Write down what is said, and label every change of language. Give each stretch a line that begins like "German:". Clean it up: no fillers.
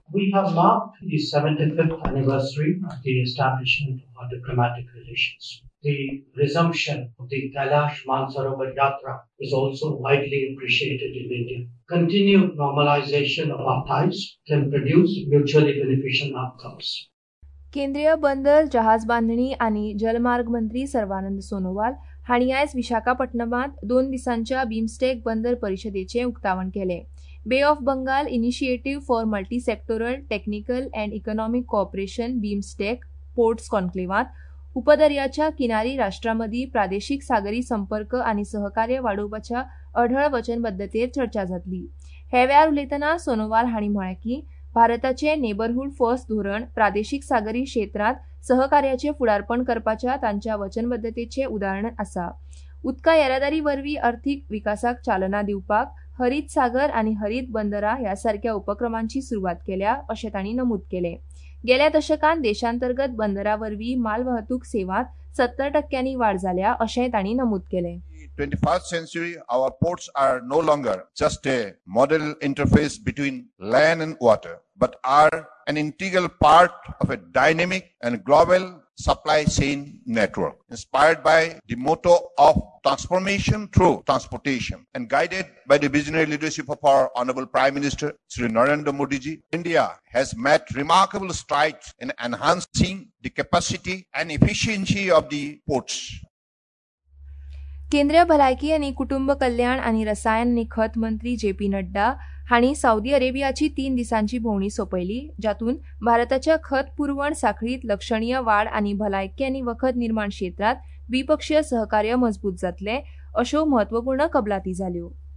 English: We have marked the 75th anniversary of the establishment of our diplomatic relations. The resumption of the Kailash Mansarovar Yatra is also widely appreciated in India. Continued normalization of our ties can produce mutually beneficial outcomes.
Konkani: केंद्रीय बंदर जहाज बांधणी आणि जलमार्ग मंत्री सर्वानंद सोनोवाल हांणी आयज विशाखापट्टणमात 2 दिसांच्या बिमस्टेक बंदर परिषदेचे उक्तावण केले. बे ऑफ Bengal initiative for multi sectoral technical and economic corporation BIMSTEC ports कॉन्क्लेव्हात उपदर्याच्या किनारी राष्ट्रांमधी प्रादेशिक सागरी संपर्क आणि सहकार्य वाढोवपाच्या अढळ वचनबद्धतेर चर्चा जातली. हे वेळार उलयताना सोनोवाल हांणी म्हळे की भारताचे नेबरहूड फर्स्ट धोरण प्रादेशिक सागरी क्षेत्रात सहकार्याचे फुडारपण करपाच्या तांच्या वचनबद्धतेचे उदाहरण असा. उदका येरादारी वरवी आर्थिक विकासाक चालना दिवपाक हरित सागर आणि हरित बंदरा ह्या सारख्या उपक्रमांची सुरुवात केल्या असे त्यांनी नमूद केले. गेल्या दशकात देशांतर्गत बंदरावरवी मालवाहतूक सेवात 70% वाढ झाल्या असे त्यांनी नमूद केले.
English: 21st century, our ports are no longer just a modal interface between land and water, but are an integral part of a dynamic and global supply chain network. Inspired by the motto of transformation through transportation and guided by the visionary leadership of our Honorable Prime Minister, Sri Narendra Modi ji, India has made remarkable strides in enhancing the capacity and efficiency of the ports.
Konkani: केंद्रीय भलायकी आनी कुटुंब कल्याण आनी रसायन आनी खत मंत्री J P Nadda हांणी सावदी अरेबियाची 3 दिसांची भोंवडी सोपयली, जातून भारताच्या खत पुरवण साखळीत लक्षणीय वाढ आनी भलायकी आनी वखद निर्माण क्षेत्रात द्विपक्षीय सहकार्य मजबूत जातले अशो म्हत्वपूर्ण कबलाती झाल्यो.